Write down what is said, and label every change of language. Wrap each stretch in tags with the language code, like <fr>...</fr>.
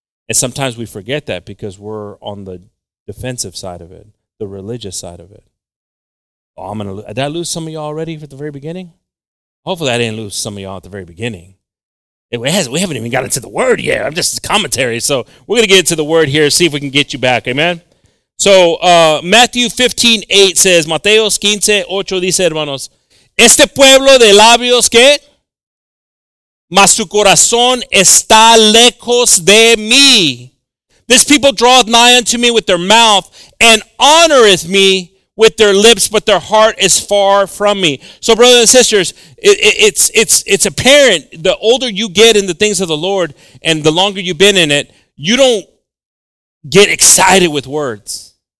<en>And sometimes we forget that because we're on the defensive side of it, the religious side of it. Oh, did I lose some of y'all already at the very beginning? Hopefully I didn't lose some of y'all at the very beginning. We haven't even got into the word yet. I'm just commentary. So we're going to get into the word here, see if we can get you back. Amen.</en> <es>So Mateo 15:8 dice, hermanos, este pueblo de labios que, mas su corazón está lejos de mí.</es> <en>This people draweth nigh unto me with their mouth and honoreth me with their lips, but their heart is far from me. So, brothers and sisters, it's apparent, the older you get in the things of the Lord and the longer you've been in it, you don't get excited with words.</en>